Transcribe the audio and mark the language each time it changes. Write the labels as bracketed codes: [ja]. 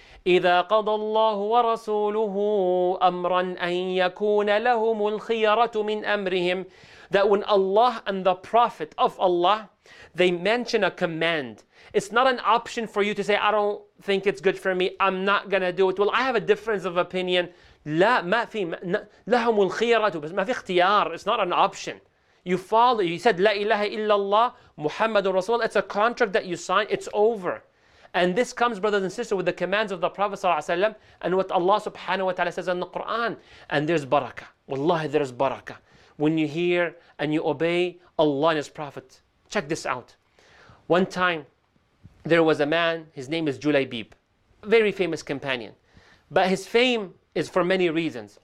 [ar] إِذَا قَضَى اللَّهُ وَرَسُولُهُ أَمْرًا أَن يَكُونَ لَهُمُ الْخِيَرَةُ مِنْ أَمْرِهِمْ. [en] That when Allah and the Prophet of Allah, they mention a command. It's not an option for you to say, I don't think it's good for me. I'm not going to do it. Well, I have a difference of opinion. [ar] لا ما في لهم الخيارة بس ما في اختيار. [en] It's not an option. You follow. You said [ar] لا إله إلا الله محمد رسول. [en] It's a contract that you sign. It's over. And this comes, brothers and sisters, with the commands of the Prophet صلى الله عليه وسلم and what Allah subhanahu wa ta'ala says in the Quran. And there's barakah. Wallahi, there's barakah when you hear and you obey Allah and His Prophet. Check this out. One time, there was a man. His name is Julaybib, very famous companion, but his fame is for many reasons.